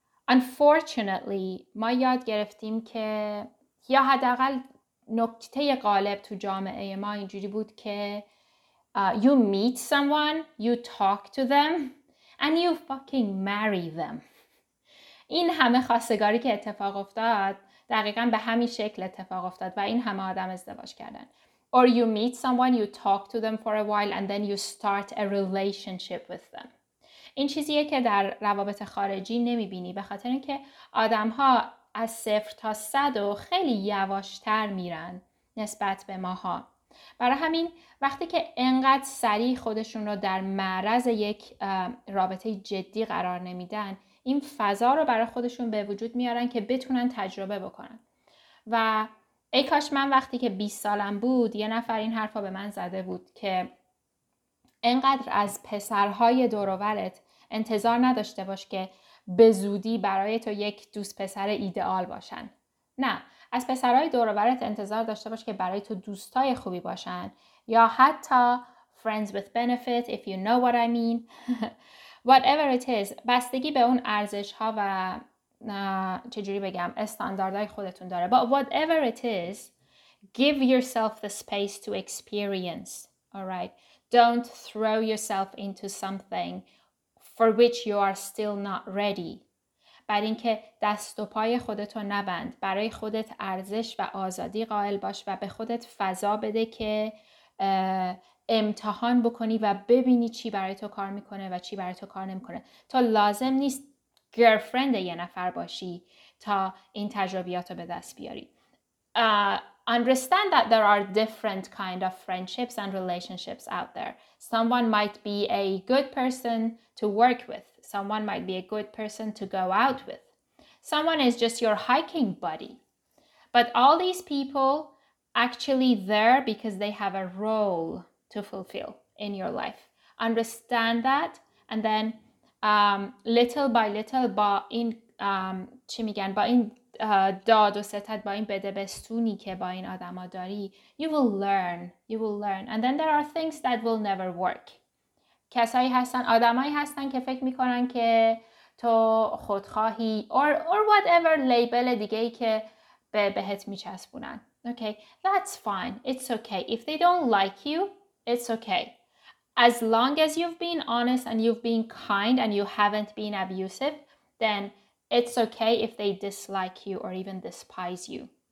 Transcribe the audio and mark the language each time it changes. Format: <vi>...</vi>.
<en>Unfortunately</en> <fa>ما یاد گرفتیم که یا حداقل نکته غالب تو جامعه ما اینجوری بود که</fa> <en>you meet someone, you talk to them and you fucking marry them.</en> <fa>این همه خواستگاری که اتفاق افتاد دقیقا به همین شکل اتفاق افتاد و این همه آدم ازدواج کردن.</fa> <en>Or you meet someone, you talk to them for a while and then you start a relationship with them.</en> <fa>این چیزیه که در روابط خارجی نمیبینی، به خاطر اینکه آدم ها از 0 to 100 و خیلی یواشتر میرن نسبت به ماها. برای همین وقتی که انقدر سریع خودشون رو در معرض یک رابطه جدی قرار نمیدن، این فضا رو برای خودشون به وجود میارن که بتونن تجربه بکنن. و ای کاش من وقتی که 20 سالم بود یه نفر این حرفا به من زده بود که انقدر از پسرهای دور و برت انتظار نداشته باش که به زودی برای تو یک دوست پسر ایدئال باشن. نه، از پسرهای دور و برت انتظار داشته باش که برای تو دوستای خوبی باشن، یا حتی</fa> <en>friends with benefit if you know what I mean. Whatever it is،</en> <fa>بستگی به اون ارزش‌ها و چجوری بگم استانداردهای خودتون داره.</fa> <en>But whatever it is، give yourself the space to experience. All right. Don't throw yourself into something for which you are still not ready.</en> <fa>بر این که دست و پای خودتو نبند، برای خودت ارزش و آزادی قائل باش و به خودت فضا بده که امتحان بکنی و ببینی چی برای تو کار میکنه و چی برای تو کار نمیکنه. تو لازم نیست گرلفرند یه نفر باشی تا این تجربیاتو به دست بیاری.</fa> <en>Understand that there are different kind of friendships and relationships out there. Someone might be a good person to work with. Someone might be a good person to go out with. Someone is just your hiking buddy. But all these people actually there because they have a role to fulfill in your life. Understand that and then little by little</en> <fa>با این چی میگن با این داد و ستد، با این بده بستونی که با این آدم ها داری،</fa> <en>you will learn and then there are things that will never work.</en> <fa>کسایی هستن، آدمایی هستن که فکر میکنن که تو خودخواهی</fa> <en>or whatever</en> <fa>label دیگه ای که بهت میچسبونن.</fa> <en>Okay, that's fine. It's okay. If they don't like you, it's okay. As long as you've been honest and you've been kind and you haven't been abusive, then it's okay if they dislike you or even despise you.</en>